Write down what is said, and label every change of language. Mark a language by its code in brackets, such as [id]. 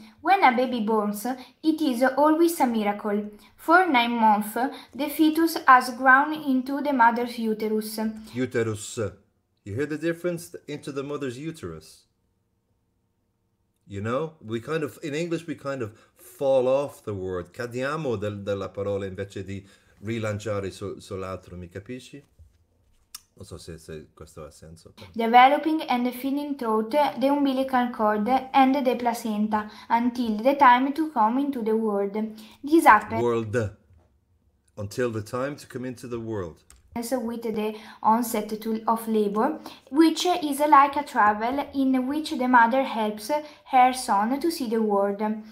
[en] When a baby burns, it is always a miracle. For 9 months, the fetus has grown into the mother's uterus. Uterus. You hear the difference? Into the mother's uterus. You know? In English, we kind of fall off the word. [it] Cadiamo della parola invece di rilanciare sull'altro, mi capisci? Non so se questo ha senso. [en] Developing and feeding through the umbilical cord and the placenta until the time to come into the world. This happens. World. Until the time to come into the world. With the onset of labor, which is like a travel in which the mother helps her son to see the world.